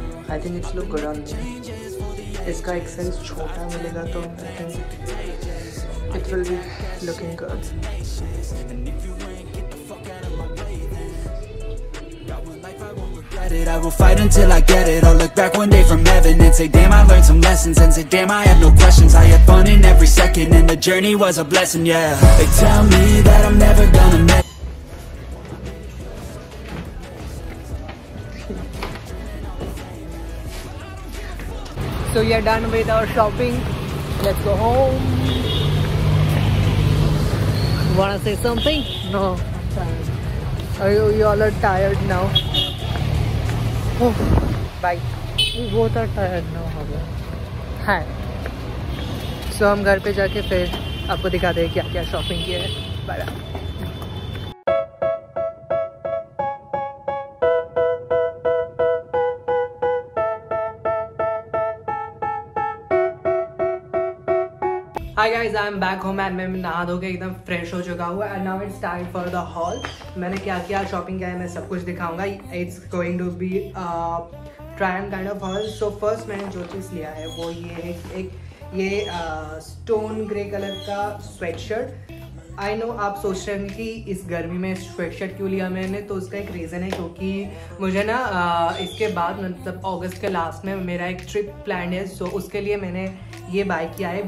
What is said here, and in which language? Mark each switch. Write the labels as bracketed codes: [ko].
[en] I think it's look good on me. [hi] इसका एक size छोटा मिलेगा [en] तो I think it will be looking good. I will fight until I get it. I'll look back one day from heaven and say, damn, I learned some lessons. And say, damn, I have no questions. I had fun in every second, and the journey was a blessing, yeah. They tell me that I'm never gonna make. So we are done with our shopping. Let's go home. Wanna say something? No. You all are tired now. Oh, bye. We both are tired now. Hi. So we go home and then [hi] आपको दिखा दे क्या क्या shopping की है. [en] Bye. Hi guys, I'm back home and [hi] मैं नहा धो के एकदम फ्रेश हो चुका हूँ [en] and now it's time for the haul. [hi] मैंने क्या क्या शॉपिंग किया है मैं सब कुछ दिखाऊंगा. [en] It's going to be a try and kind of haul. [hi] So first मैंने जो चीज़ लिया है वो ये है एक ये स्टोन ग्रे कलर का स्वेटशर्ट. आई नो आप सोच रहे हैं कि इस गर्मी में स्वेटशर्ट क्यों लिया मैंने, तो उसका एक रीज़न है क्योंकि मुझे ना इसके बाद मतलब अगस्त के लास्ट में मेरा एक ट्रिप प्लान है, सो उसके लिए मैंने ये बाय किया है.